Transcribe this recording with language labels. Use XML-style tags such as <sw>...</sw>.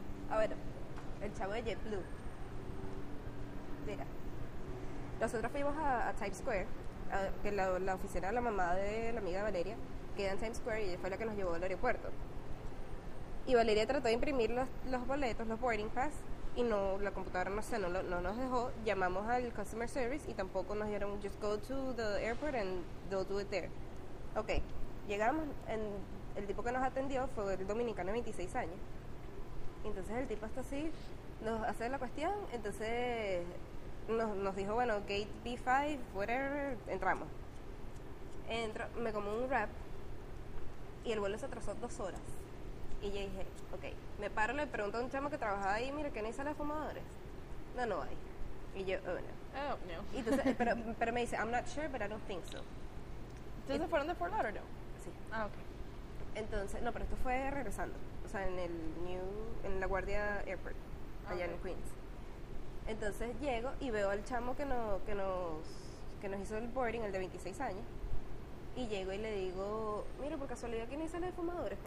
<es>A ver, el chavo de JetBlue. Mira, nosotros fuimos a Times Square, que la oficina de la mamá de la amiga Valeria queda en Times Square y ella fue la que nos llevó al aeropuerto. Y Valeria trató de imprimir los boletos, los boarding pass, y no, la computadora no nos dejó. Llamamos al customer service y tampoco nos dieron,</es> <en>just go to the airport and they'll do it there.</en> <es>Ok, llegamos en... El tipo que nos atendió fue el dominicano de 26 años. Entonces el tipo está así, nos hace la cuestión, entonces nos dijo, bueno, gate B5, whatever, entramos. Entro, me comí un wrap y el vuelo se atrasó 2 horas. Y yo dije, ok, me paro, le pregunto a un chamo que trabajaba ahí, mira, ¿qué no hay sala de fumadores? No hay. Y yo,</es> <en>oh no. Oh no.</en> <es>Entonces, pero me dice,</es> <en>I'm not sure, but I don't think so.</en> <es>¿Entonces fueron de Fort Lauderdale? Sí. Ah, ok. Entonces, no, pero esto fue regresando, o sea, en el en la Guardia Airport, allá en Queens. Entonces llego y veo al chamo que nos hizo el boarding, el de 26 años, y llego y le digo, mira, por casualidad, ¿quién hizo la de fumadores?</es>